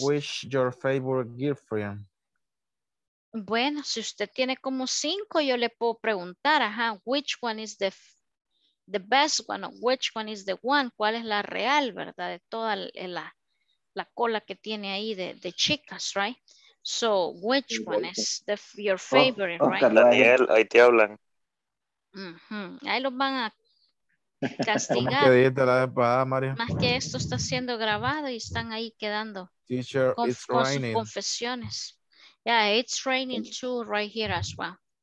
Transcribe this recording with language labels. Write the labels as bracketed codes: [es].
[en] Which your favorite girlfriend? [es] Bueno, si usted tiene como cinco, yo le puedo preguntar, ajá, [en] which one is the best one, or which one is the one, [es] cuál es la real, ¿verdad? De toda la cola que tiene ahí de chicas, right? [en] So, which one is your favorite, oh, right? [es] Daniel, ahí te hablan. Ahí los van a castigar. ¿Qué dijiste la vez pasada, Mario? Más que esto está siendo grabado y están ahí quedando. [en] Teacher, it's raining. Sus [es] confesiones. [en] Yeah, it's raining too right here as well.